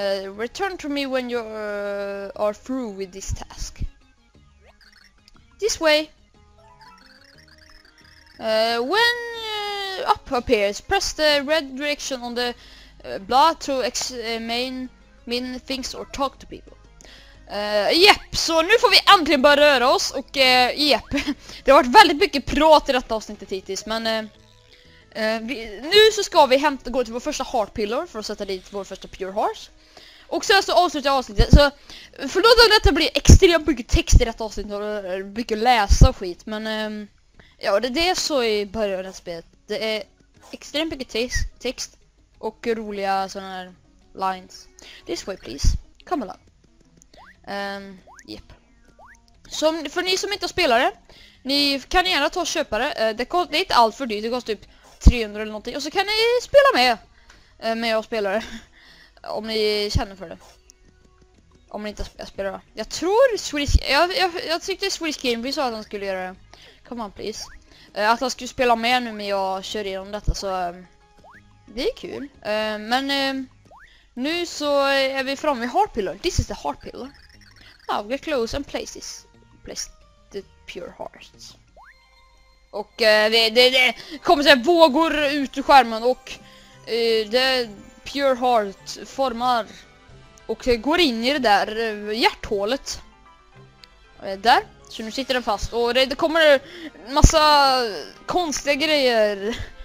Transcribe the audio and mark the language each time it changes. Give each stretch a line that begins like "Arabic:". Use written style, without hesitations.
English: Return to me when you are through with this task. This way! When up appears, press the red direction on the blah to main things or talk to people.
Swedish: Yep, så nu får vi äntligen börja röra oss och yep. Det har varit väldigt mycket prat i detta avsnittet hittills, men nu så ska vi gå till vår första heartpillar för att sätta dit vår första pure heart. Och sen så avslutar jag avsnittet, så förlåt om detta blir extremt mycket text i detta avsnittet och mycket läsa och skit, men ja, det är det så i början av det här spelet. Det är extremt mycket text och roliga sådana här lines.
English: This way please. Come along.
Swedish: Yep. Som, för ni som inte har spelare, ni kan gärna ta och köpa det. Det är inte allt för dyrt, det kostar typ 300 eller någonting. Och så kan ni spela med jag spelare. Om ni känner för det. Om ni inte spelar. Jag tror Swedish... Jag tyckte Swedish Gameby sa att han skulle göra det.
English: Come on, please.
Swedish: Att han skulle spela med nu när jag kör igenom detta, så det är kul. Men nu så är vi framme vid heartpillar.
English: This is the heartpillar. Now get close and place the pure hearts.
Swedish: Och det kommer så här vågor ut ur skärmen och det pure heart formar och går in i det där hjärthålet. Där. Så nu sitter den fast och det kommer massa konstiga grejer.